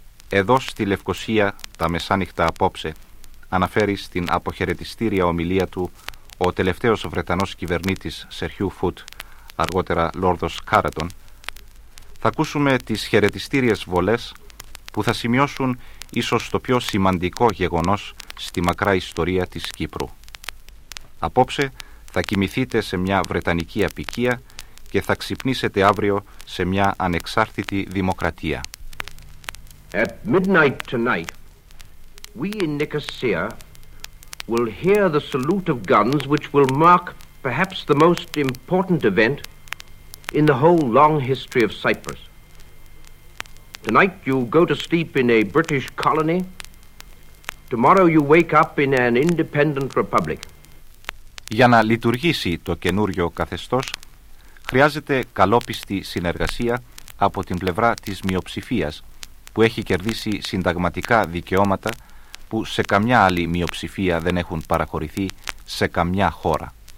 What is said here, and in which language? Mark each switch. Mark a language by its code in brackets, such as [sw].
[el] Εδώ στη Λευκωσία, τα μεσάνυχτα απόψε, αναφέρει στην αποχαιρετιστήρια ομιλία του ο τελευταίος Βρετανός κυβερνήτης Σερχιού Φουτ, αργότερα Λόρδος Κάρατον, θα ακούσουμε τις χαιρετιστήριες βολές που θα σημειώσουν ίσως το πιο σημαντικό γεγονός στη μακρά ιστορία της Κύπρου. Απόψε θα κοιμηθείτε σε μια βρετανική αποικία και θα ξυπνήσετε αύριο σε μια ανεξάρτητη δημοκρατία. [en] At midnight tonight, we in Nicosia will hear the salute of guns which will mark perhaps the most important event in the whole long history of Cyprus. Tonight you go to sleep in a British colony. Tomorrow you wake up in an independent republic. [el] Για να λειτουργήσει το καινούριο καθεστώς, χρειάζεται καλόπιστη συνεργασία από την πλευρά της μειοψηφίας που έχει κερδίσει συνταγματικά δικαιώματα που σε καμιά άλλη μειοψηφία δεν έχουν παραχωρηθεί σε καμιά χώρα.